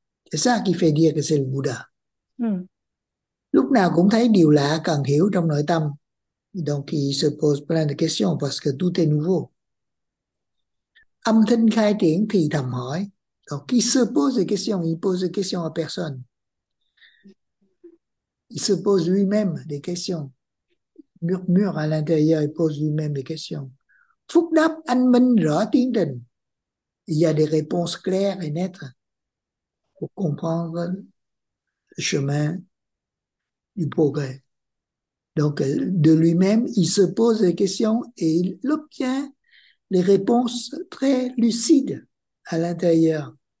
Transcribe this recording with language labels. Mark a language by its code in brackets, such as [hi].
[fr] C'est ça qui fait dire que c'est le Bouddha. [vi] Lúc nào cũng thấy điều lạ cần hiểu trong nội tâm. [fr] Donc il se pose plein de questions parce que tout est nouveau. [vi] Âm thanh khai triển thì thầm hỏi. [fr] Donc il se pose des questions, il pose des questions à personne. Il se pose lui-même des questions. Murmure à l'intérieur, il pose lui-même des questions. [vi] Phúc đáp anh minh rõ tiến trình. [fr] Il y a des réponses claires et nettes pour comprendre le chemin du progrès. Donc, de lui-même, il se pose des questions et il obtient les réponses très lucides à l'intérieur.